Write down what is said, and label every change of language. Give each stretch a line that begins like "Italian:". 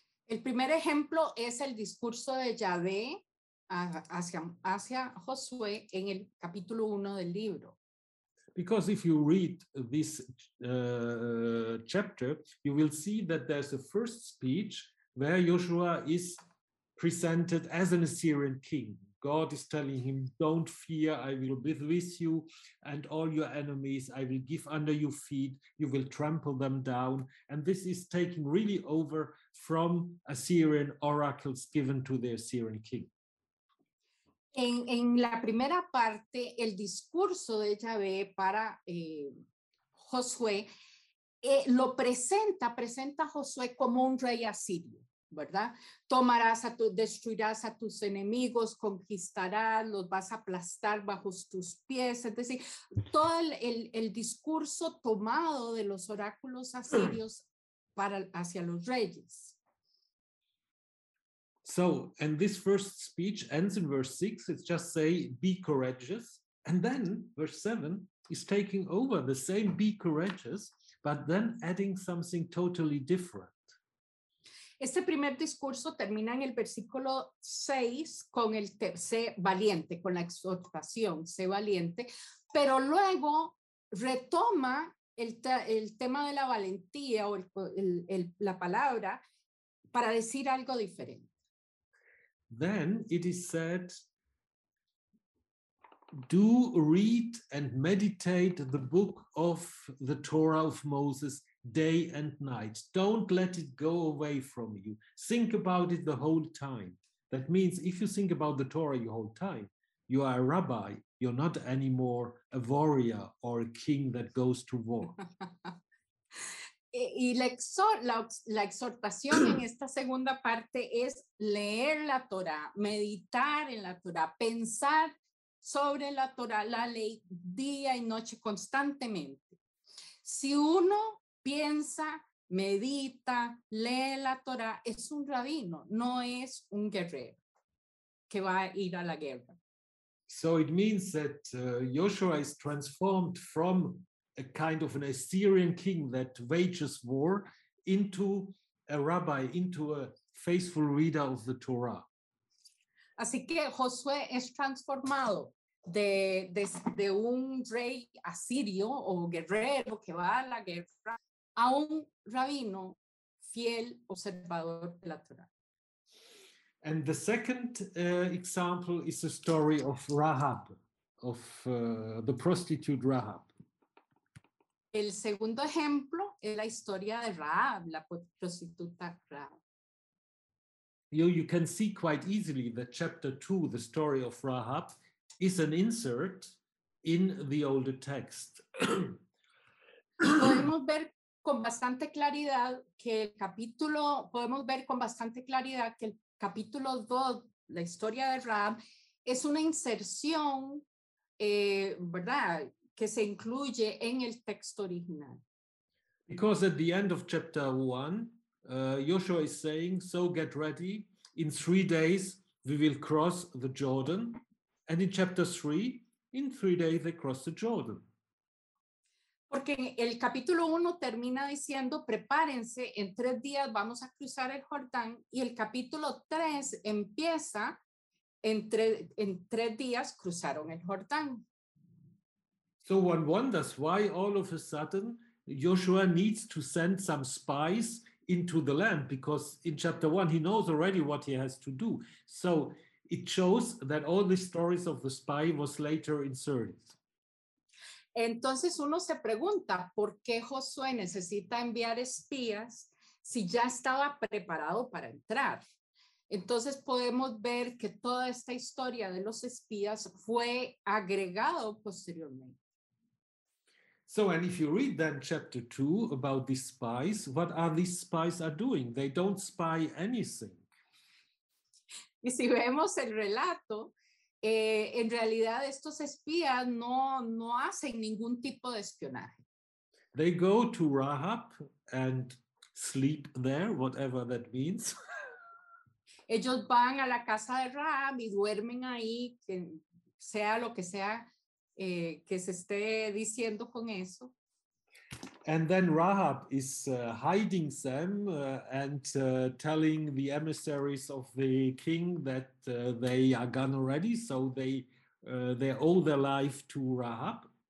Spanish: El primer ejemplo es el discurso de Yahvé hacia Josué en el capítulo 1 del libro.
English: Because if you read this chapter, you will see that there's a first speech where Joshua is presented as an Assyrian king. God is telling him, don't fear, I will be with you and all your enemies, I will give under your feet, you will trample them down. And this is taken really over from Assyrian oracles given to the Assyrian king.
Spanish: En la primera parte, el discurso de Yahvé para Josué lo presenta a Josué como un rey asirio, ¿verdad? Destruirás a tus enemigos, conquistarás, los vas a aplastar bajo tus pies. Es decir, todo el discurso tomado de los oráculos asirios hacia los reyes.
English: So, and this first speech ends in verse 6. It's just say, be courageous. And then verse 7 is taking over the same be courageous, but then adding something totally different.
Spanish: Este primer discurso termina en el versículo 6 con el sé valiente, con la exhortación, sé valiente, pero luego retoma el tema de la valentía o la palabra para decir algo diferente.
English: Then it is said, do read and meditate the book of the Torah of Moses day and night. Don't let it go away from you. Think about it the whole time. That means if you think about the Torah your whole time, you are a rabbi. You're not anymore a warrior or a king that goes to war.
Spanish: Y la exhortación en esta segunda parte es leer la Torah, meditar en la Torah, pensar sobre la Torah, la ley día y noche constantemente. Si uno piensa, medita, lee la Torah, es un rabino, no es un guerrero que va a ir a la guerra.
English: So it means that Joshua is transformed from a kind of an Assyrian king that wages war into a rabbi, into a faithful reader of the Torah.
Spanish: Así que Josué es transformado de un rey asirio o guerrero que va a la guerra a un rabino fiel observador de la Torah.
English: And the second example is the story of Rahab, of the prostitute Rahab.
Spanish: El segundo ejemplo es la historia de Rahab, la prostituta Rahab.
English: You can see quite easily that chapter 2, the story of Rahab, is an insert in the older text.
Spanish: Podemos ver con bastante claridad que el capítulo, podemos ver con bastante claridad que el capítulo 2, la historia de Rahab, es una inserción, ¿verdad?, que se incluye en el texto original.
English: Because at the end of chapter 1, Joshua is saying, so get ready, in 3 days we will cross the Jordan. And in chapter 3, in 3 days they cross the Jordan.
Spanish: Porque el capítulo 1 termina diciendo, prepárense, en 3 días vamos a cruzar el Jordán. Y el capítulo 3 empieza, en tres días cruzaron el Jordán.
English: So one wonders why all of a sudden Joshua needs to send some spies into the land, because in chapter 1 he knows already what he has to do. So it shows that all the stories of the spy was later inserted.
Spanish: Entonces uno se pregunta, ¿por qué Josué necesita enviar espías si ya estaba preparado para entrar? Entonces podemos ver que toda esta historia de los espías fue agregado posteriormente.
English: So, and if you read then chapter 2 about these spies, what are these spies are doing? They don't spy anything.
Spanish: Y si vemos el relato, en realidad estos espías no hacen ningún tipo de espionaje.
English: They go to Rahab and sleep there, whatever that means.
Spanish: Ellos van a la casa de Rahab y duermen ahí, que sea lo que sea. Que se esté diciendo con eso.
English: And then Rahab is hiding them and telling the emissaries of the king that they are gone already, so they owe their life to Rahab.